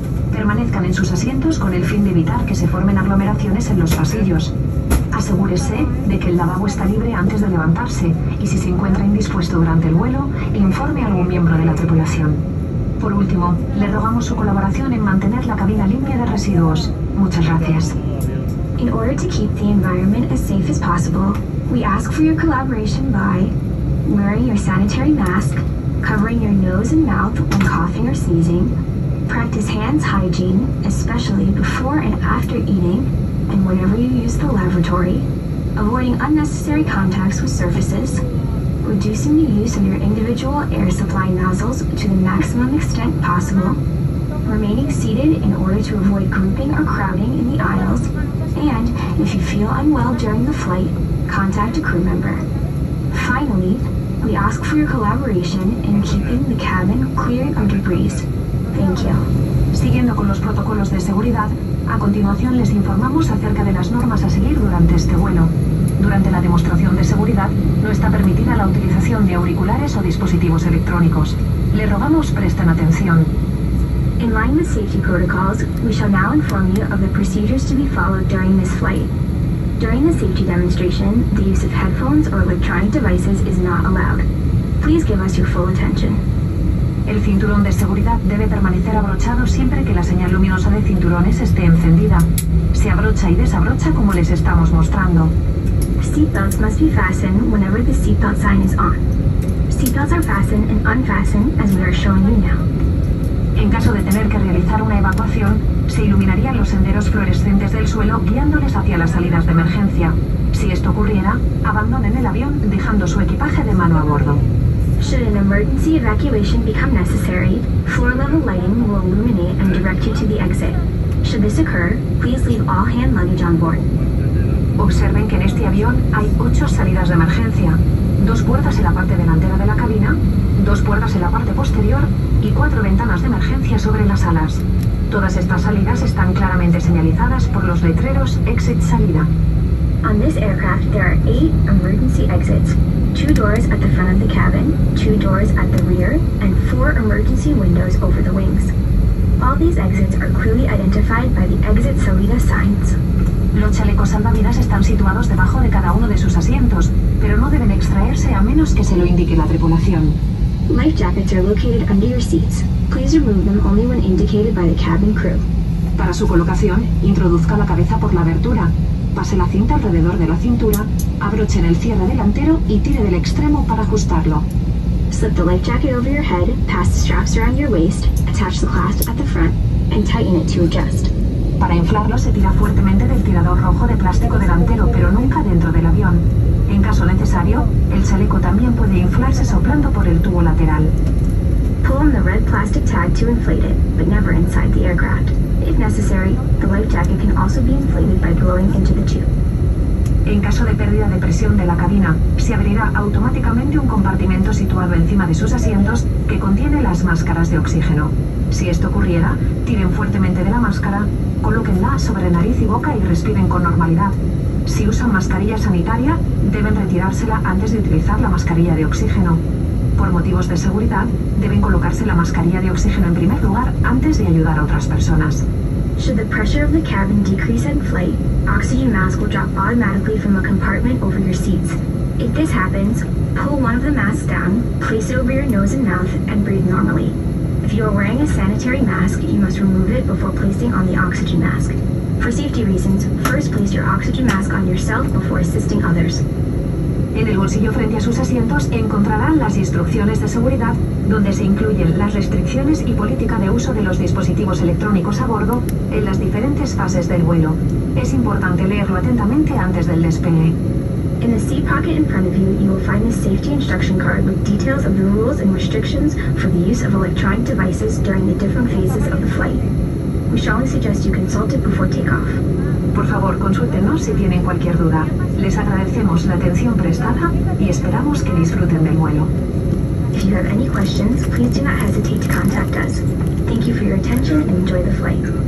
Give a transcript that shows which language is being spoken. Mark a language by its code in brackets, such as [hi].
[es] Permanezcan en sus asientos con el fin de evitar que se formen aglomeraciones en los pasillos. Asegúrese de que el lavabo está libre antes de levantarse y si se encuentra indispuesto durante el vuelo, informe a algún miembro de la tripulación. Por último, le rogamos su colaboración en mantener la cabina limpia de residuos. Muchas gracias. [en] In order to keep the environment as safe as possible, we ask for your collaboration by wearing your sanitary mask, covering your nose and mouth when coughing or sneezing, practice hands hygiene, especially before and after eating, and whenever you use the lavatory, avoiding unnecessary contacts with surfaces, reducing the use of your individual air supply nozzles to the maximum extent possible, remaining seated in order to avoid grouping or crowding in the aisles, and if you feel unwell during the flight, contact a crew member. Finally, we ask for your collaboration in keeping the cabin clear of debris. Thank you. [es] Siguiendo con los protocolos de seguridad, a continuación les informamos acerca de las normas a seguir durante este vuelo. Durante la demostración de seguridad, no está permitida la utilización de auriculares o dispositivos electrónicos. Le rogamos presten atención. [en] In line with safety protocols, we shall now inform you of the procedures to be followed during this flight. During the safety demonstration, the use of headphones or electronic devices is not allowed. Please give us your full attention. [es] El cinturón de seguridad debe permanecer abrochado siempre que la señal luminosa de cinturones esté encendida. Se abrocha y desabrocha como les estamos mostrando. [en] Seatbelts must be fastened whenever the seatbelt sign is on. Seatbelts are fastened and unfastened as we are showing you now. [es] En caso de tener que realizar una evacuación, se iluminarían los senderos fluorescentes del suelo guiándoles hacia las salidas de emergencia. Si esto ocurriera, abandonen el avión dejando su equipaje de mano a bordo. [en] Should an emergency evacuation become necessary, floor-level lighting will illuminate and direct you to the exit. Should this occur, please leave all hand luggage on board. [es] Observen que en este avión hay 8 salidas de emergencia, 2 puertas en la parte delantera de la cabina, 2 puertas en la parte posterior y 4 ventanas de emergencia sobre las alas. Todas estas salidas están claramente señalizadas por los letreros Exit Salida. [en] On this aircraft there are 8 emergency exits. 2 doors at the front of the cabin, 2 doors at the rear, and 4 emergency windows over the wings. All these exits are clearly identified by the Exit Salida signs. [es] Los chalecos salvavidas están situados debajo de cada uno de sus asientos, pero no deben extraerse a menos que se lo indique la tripulación. [en] Life jackets are located under your seats. Please remove them only when indicated by the cabin crew. [es] Para su colocación, introduzca la cabeza por la abertura. Pase la cinta alrededor de la cintura, abrochen el cierre delantero y tire del extremo para ajustarlo. [en] Slip the life jacket over your head, pass the straps around your waist, attach the clasp at the front, and tighten it to adjust. [es] Para inflarlo se tira fuertemente del tirador rojo de plástico delantero, pero nunca dentro del avión. En caso necesario, el chaleco también puede inflarse soplando por el tubo lateral. [en] Pull on the red plastic tag to inflate it, but never inside the aircraft. If necessary, the life jacket can also be inflated by blowing into the tube. [es] En caso de pérdida de presión de la cabina, se abrirá automáticamente un compartimento situado encima de sus asientos que contiene las máscaras de oxígeno. Si esto ocurriera, tiren fuertemente de la máscara, colóquenla sobre nariz y boca y respiren con normalidad. Si usan mascarilla sanitaria, deben retirársela antes de utilizar la mascarilla de oxígeno. Por motivos de seguridad, deben colocarse la mascarilla de oxígeno en primer lugar antes de ayudar a otras personas. [en] Should the pressure of the cabin decrease in flight, oxygen masks will drop automatically from a compartment over your seats. If this happens, pull one of the masks down, place it over your nose and mouth, and breathe normally. If you are wearing a sanitary mask, you must remove it before placing on the oxygen mask. For safety reasons, first place your oxygen mask on yourself before assisting others. [es] En el bolsillo frente a sus asientos encontrarán las instrucciones de seguridad, donde se incluyen las restricciones y política de uso de los dispositivos electrónicos a bordo en las diferentes fases del vuelo. Es importante leerlo atentamente antes del despegue. [en] In the seat pocket in front of you, you will find a safety instruction card with details of the rules and restrictions for the use of electronic devices during the different phases of the flight. We strongly suggest you consult it before takeoff. [es] Por favor, consúltenos si tienen cualquier duda. Les agradecemos la atención prestada y esperamos que disfruten del vuelo. [en] If you have any questions, please do not hesitate to contact us. Thank you for your attention and enjoy the flight.